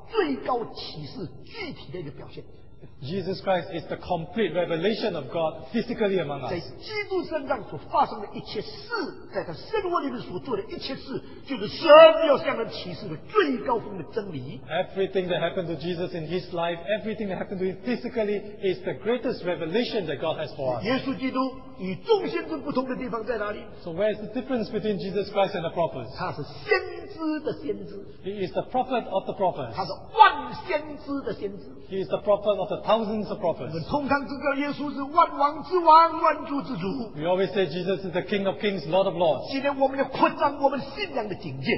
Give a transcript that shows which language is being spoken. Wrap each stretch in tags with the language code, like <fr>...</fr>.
<zh>基督就是神要对人讲话的最高启示具体的一个表现。</zh> <en>Jesus Christ is the complete revelation of God physically among us.</en> <zh>在基督身上所发生的一切事，在他生活里面所做的一切事， 就是神要向人启示的最高峰的真理。</zh> <en>Everything that happened to Jesus in his life, everything that happened to him physically is the greatest revelation that God has for us.</en> <zh>耶稣基督与众先知不同的地方在哪里？</zh> <en>So where is the difference between Jesus Christ and the prophets?</en> <zh>他是先知的先知。</zh> <en>He is the prophet of the prophets.</en> <zh>他是万先知的先知。</zh> <en>He is the prophet of the thousands of prophets.</en> <zh>我们通常知道耶稣是万王之王，万主之主。</zh> <en>We always say Jesus is the King of Kings, Lord of Lords.</en> <zh>今天我们要扩张我们信仰的境界。</zh>